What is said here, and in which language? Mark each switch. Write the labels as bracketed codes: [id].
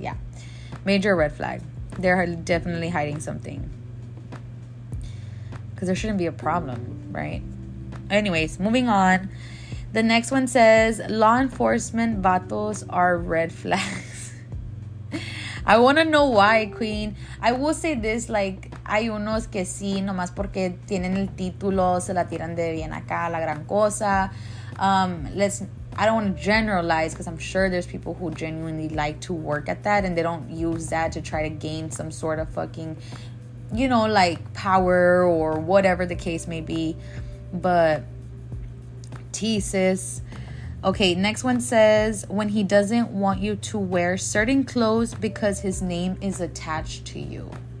[en] Yeah, major red flag. They're definitely hiding something, because there shouldn't be a problem, right? Anyways, moving on. The next one says, law enforcement vatos are red flags. I want to know why, Queen. I will say this, like, [es] hay unos que sí, nomás porque tienen el título, se la tiran de bien acá, la gran cosa. [en] I don't want to generalize, because I'm sure there's people who genuinely like to work at that, and they don't use that to try to gain some sort of fucking, you know, like, power or whatever the case may be. But thesis. Okay, next one says, when he doesn't want you to wear certain clothes because his name is attached to you.